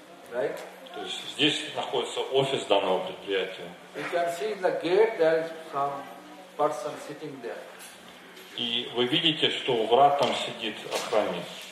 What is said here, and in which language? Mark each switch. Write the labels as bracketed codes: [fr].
[ru] То есть здесь находится офис данного предприятия. [en] You can see in the gate there is some person sitting there. [ru] И вы видите, что врат там сидит охранник.